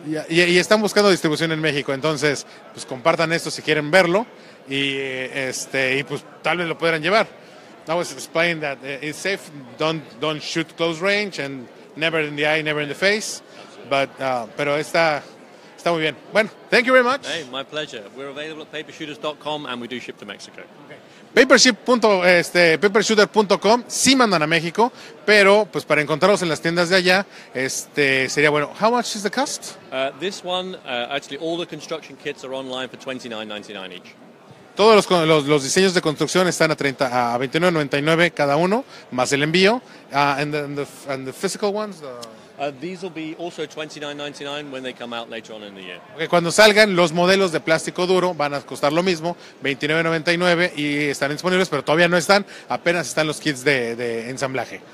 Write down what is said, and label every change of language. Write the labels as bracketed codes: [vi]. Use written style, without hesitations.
[es] Y están buscando distribución en México, entonces pues compartan esto si quieren verlo y pues tal vez lo puedan llevar. [en] I was explaining that it's safe, don't shoot close range, and never in the eye, never in the face. [es] Pero está muy bien. Bueno, [en] thank you very much. Hey, my pleasure. We're available at papershooters.com, and we do ship to Mexico. Okay. [es] Papershooter.com, sí mandan a México, pero pues para encontrarlos en las tiendas de allá, sería bueno. [en] How much is the cost? This one, actually all the construction kits are online for $29.99 each. [es] Todos los diseños de construcción están a $29.99 cada uno, más el envío. [en] And the physical ones? These will be also $29.99 when they come out later on in the year. Okay, [es] cuando salgan, los modelos de plástico duro van a costar lo mismo, $29.99, y están disponibles, pero todavía no están, apenas están los kits de ensamblaje.